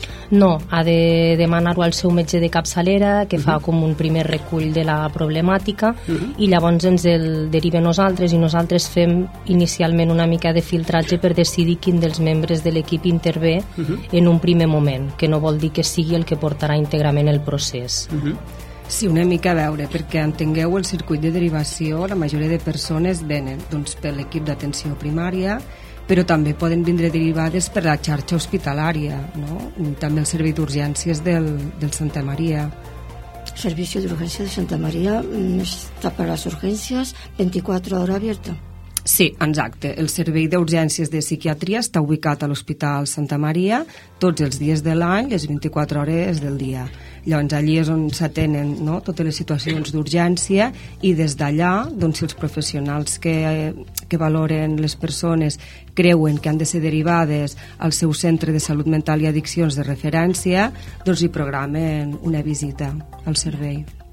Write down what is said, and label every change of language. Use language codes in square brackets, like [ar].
[ca] No, ha de demanar-ho al seu metge de capçalera, que fa com un primer recull de la problemàtica, i llavors ens el deriva nosaltres, i nosaltres fem inicialment una mica de filtratge per decidir quin dels membres de l'equip intervé en un primer moment, que no vol dir que sigui el que portarà íntegrament el procés. Sí, una mica a veure, perquè entengueu, el circuit de derivació, la majoria de persones venen doncs, per l'equip d'atenció primària, però també poden vindre derivades per la xarxa hospitalària, no? I també el servei d'urgències del Santa Maria. [es] Servicio de urgencia de Santa María está para las urgencias 24 horas abierta. [ca] Sí, exacte. El servei d'urgències de psiquiatria està ubicat a l'Hospital Santa Maria tots els dies de l'any, les 24 hores del dia. Llavors, allí és on s'atenen, no?, totes les situacions d'urgència, i des d'allà, doncs, si els professionals que valoren les persones creuen que han de ser derivades al seu centre de salut mental i addiccions de referència, doncs hi programen una visita al servei.